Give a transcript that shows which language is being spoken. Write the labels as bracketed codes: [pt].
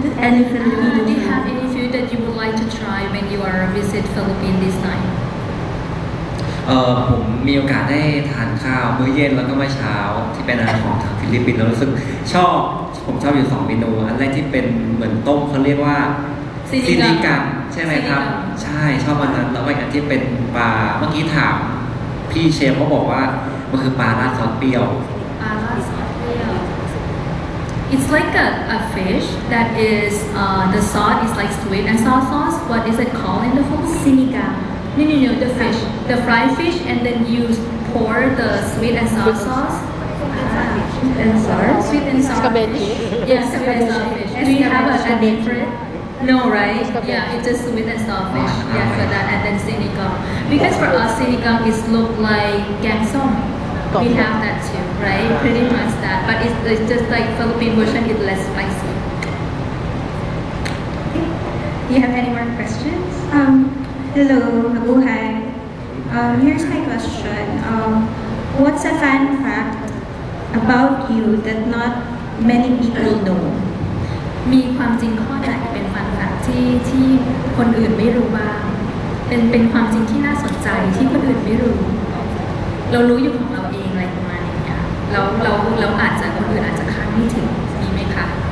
[en] Do you have any food that you would like to try when you are visit Philippines this time? [th] ผมมีโอกาสได้ทานข้าวมื้อเย็นแล้วก็มื้อเช้าที่เป็นอาหารของทางฟิลิปปินส์แล้วรู้สึกชอบผมชอบอยู่สองเมนูอันแรกที่เป็นเหมือนต้มเขาเรียกว่า ซินิ กังใช่ไหมครับใช่ชอบมันนั้นแล้วไปกันที่เป็นปลาเมื่อกี้ถามพี่เชฟเขาบอกว่ามันคือปลาราดซอสเปรี้ยว ปลาราดซอสเปรี้ยว [en] It's like a fish that is the sauce is like sweet and sour sauce what is it called in the food sinigang no the fish the fried fish and then you pour the sweet and sour sauce and sour sweet and sour scabeche yes scabeche do you have a different No, right? Yeah, it's just sweet and sour fish. Yeah, for that. And then sinigang. Because for us, sinigang is look like gansong. We have that too, right? Pretty much that. But it's just like Philippine version, it's less spicy. Okay. Do you have any more questions? Hello, Mabuhay. Here's my question. What's a fun fact about you that not many people know? [th] มีความจริงข้อไหนเป็นฟันแฟกต์ที่คนอื่นไม่รู้บ้างเป็นความจริงที่น่าสนใจที่คนอื่นไม่รู้เรารู้อยู่ของเราเองอะไรประมาณนี้เราอาจจะคนอื่นอาจจะคาดไม่ถึงมีไหมคะ